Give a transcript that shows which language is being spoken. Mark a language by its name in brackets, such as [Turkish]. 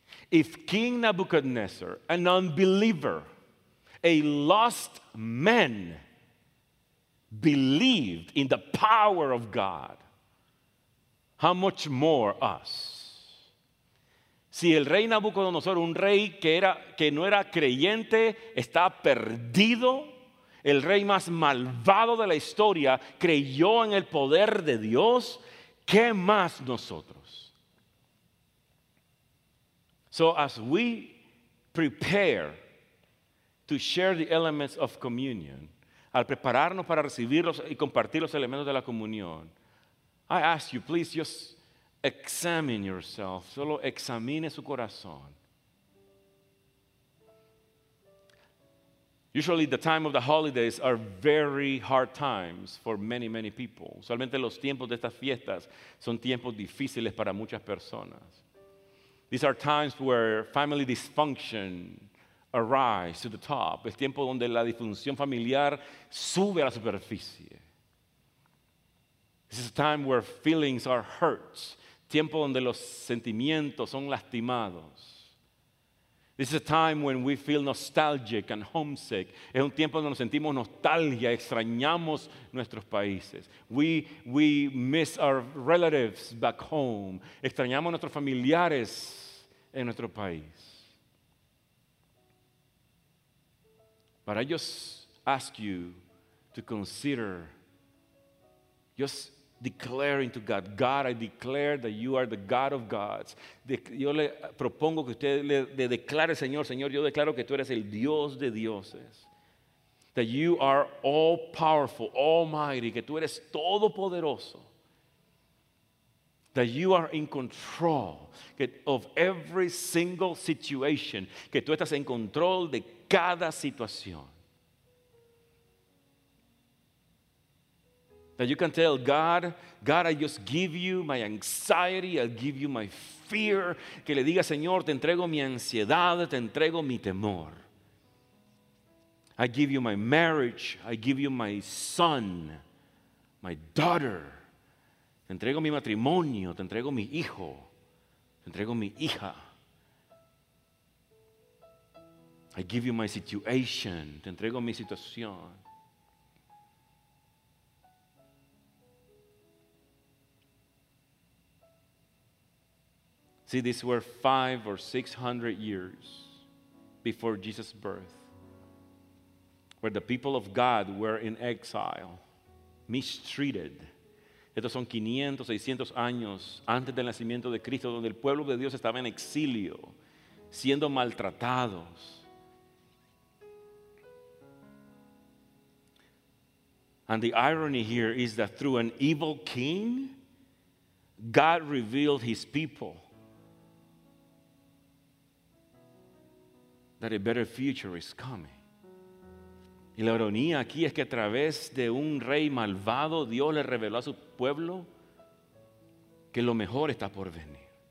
[English] If King Nebuchadnezzar, an unbeliever, a lost man, believed in the power of God, how much more us? [Spanish] Si el rey Nabucodonosor, un rey que no era creyente, está perdido, el rey más malvado de la historia, creyó en el poder de Dios, ¿qué más nosotros? [English] So as we prepare to share the elements of communion, [Spanish] al prepararnos para recibirlos y compartir los elementos de la comunión, [English] I ask you, please just examine yourself. [Spanish] Solo examine su corazón. [English] Usually the time of the holidays are very hard times for many, many people. [Spanish] Usualmente los tiempos de estas fiestas son tiempos difíciles para muchas personas. [English] These are times where family dysfunction arises to the top. [Spanish] Es tiempo donde la disfunción familiar sube a la superficie. [English] This is a time where feelings are hurt. [Spanish] Tiempo donde los sentimientos son lastimados. [English] This is a time when we feel nostalgic and homesick. [Spanish] Es un tiempo donde nos sentimos nostalgia, extrañamos nuestros países. [English] We miss our relatives back home. [Spanish] Extrañamos a nuestros familiares en nuestro país. [English] But I just ask you to consider, just declaring to God, God, I declare that you are the God of gods. [Spanish] Yo le propongo que usted le declare, Señor, Señor, yo declaro que tú eres el Dios de dioses. [English] That you are all powerful, almighty, [Spanish] que tú eres todopoderoso. [English] That you are in control of every single situation. [Spanish] Que tú estás en control de cada situación. [English] That you can tell God, God, I just give you my anxiety. I give you my fear. [Spanish] Que le diga, Señor, te entrego mi ansiedad. Te entrego mi temor. [English] I give you my marriage. I give you my son, my daughter. [Spanish] Te entrego mi matrimonio, te entrego mi hijo, te entrego mi hija. [English] I give you my situation, [Spanish] te entrego mi situación. [English] See, these were 500 or 600 years before Jesus' birth, where the people of God were in exile, mistreated, [Spanish] Estos son 500, 600 años antes del nacimiento de Cristo, donde el pueblo de Dios estaba en exilio, siendo maltratados. [English] And the irony here is that through an evil king, God revealed his people that a better future is coming. [Spanish] Y la ironía aquí es que a través de un rey malvado, Dios le reveló a su pueblo que lo mejor está por venir.